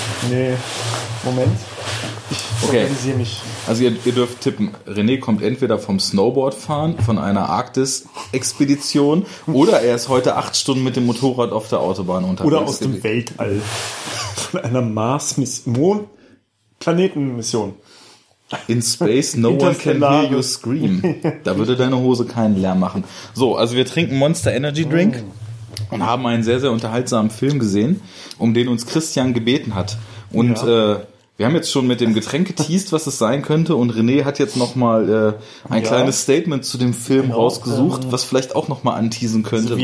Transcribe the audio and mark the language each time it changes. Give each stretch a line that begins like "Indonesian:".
German: Nee. Moment. Organisiere mich. Also ihr dürft tippen, René kommt entweder vom Snowboardfahren, von einer Arktis-Expedition oder er ist heute 8 Stunden mit dem Motorrad auf der Autobahn unterwegs. Oder aus dem Weltall. Von einer Mond-Planeten-Mission.
English: In space, no one can hear you scream.
German: Da würde deine Hose keinen Lärm machen. So, also wir trinken Monster Energy Drink und haben einen sehr, sehr unterhaltsamen Film gesehen, um den uns Christian gebeten hat. Und Wir haben jetzt schon mit dem Getränk geteased, was es sein könnte, und René hat jetzt nochmal ein kleines Statement zu dem Film rausgesucht, was vielleicht auch nochmal anteasen könnte, also